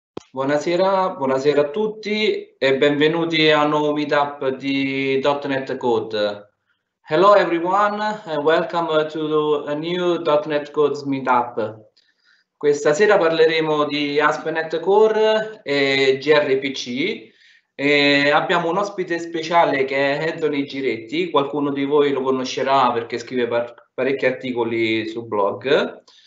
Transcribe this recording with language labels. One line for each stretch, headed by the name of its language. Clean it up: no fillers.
Italian: Buonasera a tutti e benvenuti a un nuovo meetup di .NET Code.
English: Hello everyone and welcome to a new .NET Code meetup.
Italian: Questa sera parleremo di ASP.NET Core e gRPC e abbiamo un ospite speciale che è Anthony Giretti, qualcuno di voi lo conoscerà perché scrive parecchi articoli su blog.